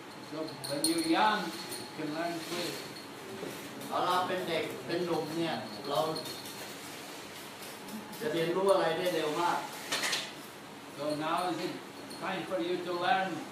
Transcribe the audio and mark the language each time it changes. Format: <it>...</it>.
<en>So when you're young, you can learn quick.</en> <th>เราเป็นเด็กเป็นหนุ่มเนี่ยเราจะเรียนรู้อะไรได้เร็วมาก</th> <en>So now is it time for you to learn?</en>